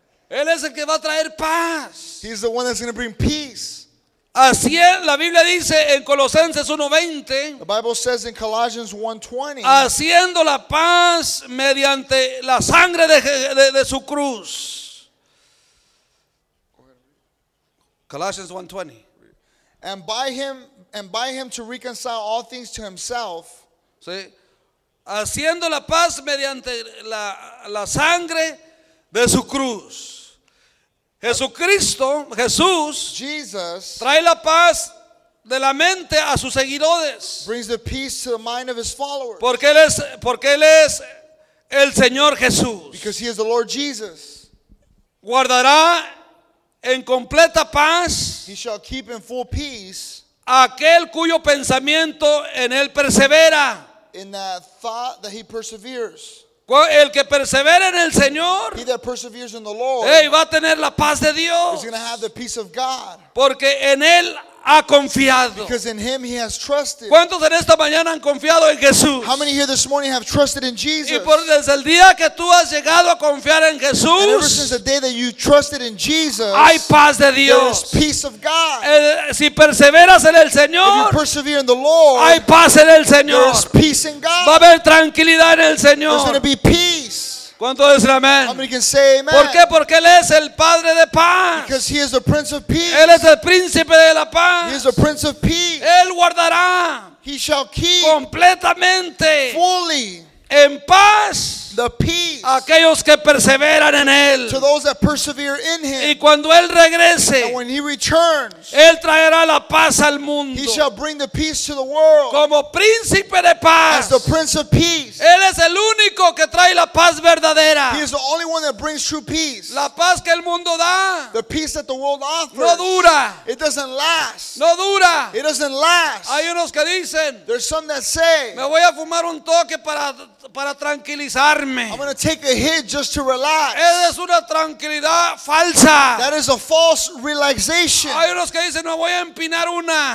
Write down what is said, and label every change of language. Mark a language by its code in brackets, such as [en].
[es] Él es el que va a traer paz. [en] He's the one that's going to bring peace. [es] Así es, la Biblia dice en Colosenses 1:20. [en] The Bible says in Colossians 1:20. [es] Haciendo la paz mediante la sangre de su cruz. [en] Colossians 1:20. And by him to reconcile all things to himself. [es] See? Haciendo la paz mediante la sangre de su cruz. Jesucristo, Jesús, [en] Jesus, [es] trae la paz de la mente a sus seguidores. [en] Brings the peace to the mind of his followers. [es] Porque él es el Señor Jesús. [en] Because he is the Lord Jesus. [es] Guardará en completa paz. [en] He shall keep in full peace. [es] Aquel cuyo pensamiento en él persevera. [en] In that thought that he perseveres. [es] El que persevera en el Señor, [en] he that perseveres in the Lord, [es] hey, va a tener la paz de Dios. [en] He's going to have the peace of God. [es] Porque en él ha confiado. [en] Because in him he has trusted. [es] ¿Cuántos en esta mañana han confiado en Jesús? [en] How many here this morning have trusted in Jesus? [es] Y por desde el día que tú has llegado a confiar en Jesús, [en] and ever since the day that you trusted in Jesus, [es] hay paz de Dios. [en] There is peace of God. [es] Si perseveras en el Señor, [en] if you persevere in the Lord, [es] hay paz en el Señor. [en] There is peace in God. [es] Va a haber tranquilidad en el Señor. [en] There's going to be peace. [es] ¿Cuánto dice amén? [en] How many can say amen? [es] ¿Por qué? Porque él es el Padre de Paz. [en] Because he is the Prince of Peace. [es] Él es el Príncipe de la Paz. [en] He is the Prince of Peace. [es] Él guardará. [en] He shall keep. [es] Completamente. [en] Fully. [es] En paz. [en] The peace. [es] Aquellos que perseveran en él. [en] To those that persevere in him. [es] Y cuando él regrese. [en] And when he returns. [es] Él traerá la paz al mundo. [en] He shall bring the peace to the world. [es] Como Príncipe de Paz. [en] As the Prince of Peace. [es] Él es el único que trae la paz verdadera. [en] He is the only one that brings true peace. [es] La paz que el mundo da. [en] The peace that the world offers. [es] No dura. [en] It doesn't last. [es] No dura. [en] It doesn't last. [es] Hay unos que dicen. [en] There's some that say. [es] Me voy a fumar un toque para tranquilizarme. [en] I'm going to take a hit just to relax. [es] Esa es una tranquilidad falsa. [en] That is a false relaxation. [es] Hay unos que dicen, me voy a empinar una.